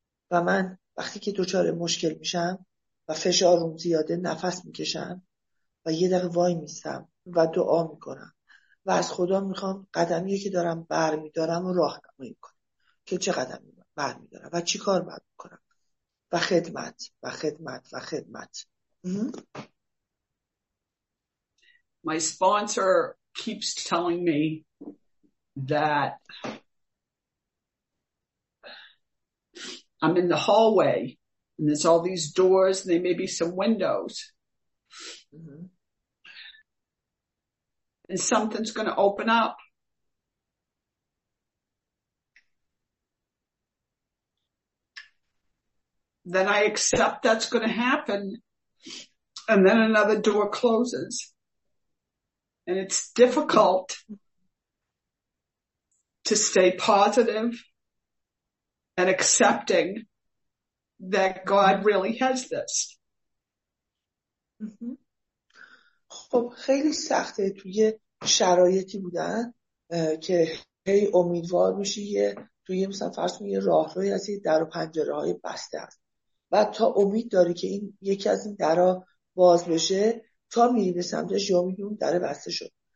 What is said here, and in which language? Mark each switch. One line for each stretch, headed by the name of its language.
Persian: و من وقتی که دچار مشکل میشم و فشارم زیاده، نفس میکشم و یه دقیقه وای میستم و دعا میکنم و از خدا میخوام قدمی که دارم برمیدارم و راه نمایی کنم که چه قدمی برمیدارم و چی کار باید بکنم و خدمت و خدمت و خدمت.
English: My sponsor keeps telling me that I'm in the hallway and there's all these doors and there may be some windows. Mm-hmm. And something's going to open up. Then I accept that's going to happen. And then another door closes. And it's difficult to stay positive and accepting that God really has this.
Persian: خب خیلی سخته توی شرایطی بودن که هی امیدوار میشی توی مثلا فرض کن یه راهروی هستی، در و پنجره‌های بسته است. و تا امید داری که این یکی از این درا باز بشه، تا میری به سمتش یا میدونی اون در بسته شد.